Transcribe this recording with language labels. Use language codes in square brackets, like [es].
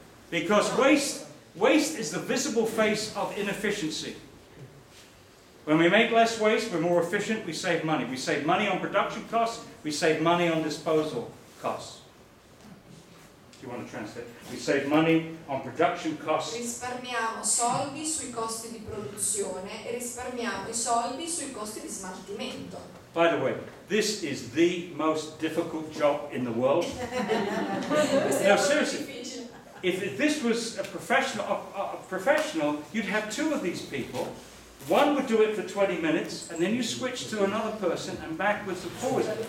[en] Because waste is the visible face of inefficiency. When we make less waste, we're more efficient, we save money. We save money on production costs, we save money on disposal costs. Do you want to translate? We save money on production costs. [it] Risparmiamo soldi sui costi di produzione e risparmiamo i soldi sui costi di smaltimento. [en] By the way, this is the most difficult job in the world. No, seriously. If this was a professional, you'd have two of these people. One would do it for 20 minutes, and then you switch to another person and backwards and forwards.